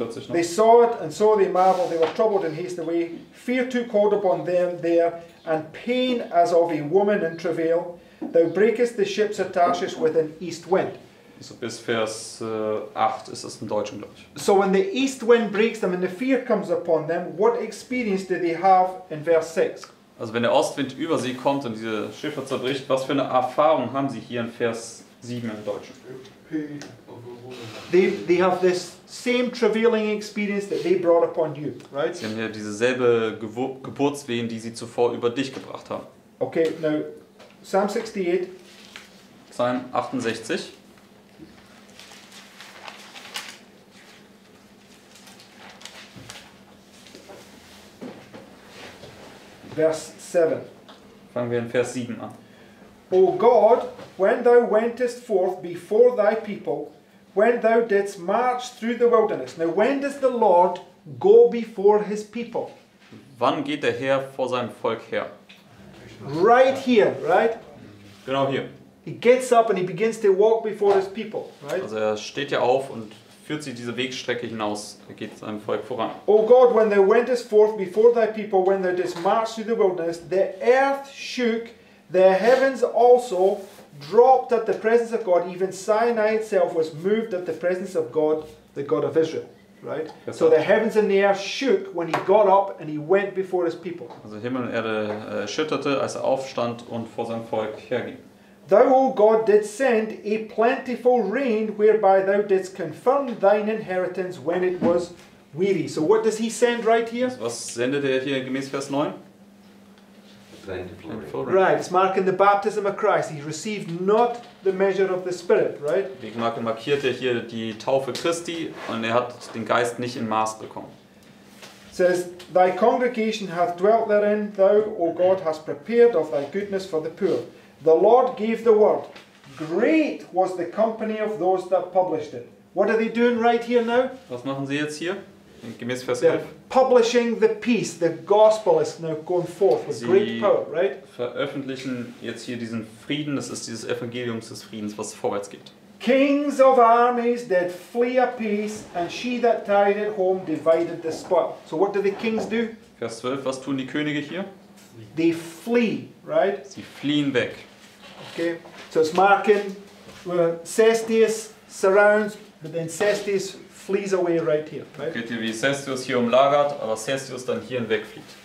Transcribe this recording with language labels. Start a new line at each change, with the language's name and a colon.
English: They saw it and so they marveled. They were troubled and hasted away. Fear took hold upon them there, and pain as of a woman in travail. Thou breakest the ships of Tarshish with an east wind.
German: So bis Vers 8 ist es im Deutschen, glaube ich.
English: So when the east wind breaks them and the fear comes upon them, what experience do they have in verse 6?
German: Also wenn der Ostwind über sie kommt und diese Schiffe zerbricht, was für eine Erfahrung haben sie hier in Vers 7 im Deutschen?
English: They have this same travailing experience that they brought upon you, right?
German: Sie haben hier dieselbe Geburtswehen, die sie zuvor über dich gebracht haben.
English: Okay, now Psalm 68.
German: Psalm 68. Vers 7. Fangen wir in Vers 7 an.
English: O God, when thou wentest forth before thy people, when thou didst march through the wilderness. Now when does the Lord go before his people?
German: Wann geht der Herr vor sein Volk her?
English: Right here, right?
German: Genau hier.
English: He gets up and he begins to walk before his people, right?
German: Also er steht ja auf und führt sie diese Wegstrecke hinaus, geht seinem Volk voran.
English: O God, when thou wentest forth before thy people, when thou didst march through the wilderness, the earth shook, the heavens also dropped at the presence of God, even Sinai itself was moved at the presence of God, the God of Israel. Right? Yes, so the heavens and the earth shook when he got up and he went before his people.
German: Also Himmel und Erde schütterte, als er aufstand und vor sein Volk herging.
English: Thou, O God, didst send a plentiful rain, whereby thou didst confirm thine inheritance when it was weary. So what does he send right here?
German: Was sendet er hier gemäß Vers 9?
English: Plentiful rain. Right, it's marking the baptism of Christ. He received not the measure of the Spirit, right?
German: Wegen markiert er hier die Taufe Christi und er hat den Geist nicht in Maß bekommen.
English: Says, thy congregation hath dwelt therein, thou, O God, hast prepared of thy goodness for the poor. The Lord gave the word. Great was the company of those that published it. What are they doing right here now?
German: Was machen sie jetzt hier? Gemäß Vers 11.
English: Publishing the peace, the gospel is now going forth with
German: sie
English: great power, right?
German: Veröffentlichen jetzt hier diesen Frieden, das ist dieses Evangeliums des Friedens, was vorwärts geht.
English: Kings of armies did flee apace, and she that tarried at home divided the spoil. So what do the kings do?
German: Vers 12, was tun die Könige hier?
English: They flee, right?
German: Sie fliehen weg.
English: Okay, so it's marking where Cestius surrounds, but then Cestius flees away right here, right?
German: Geht ihr, wie Cestius hier umlagert, aber Cestius dann hierhin wegflieht.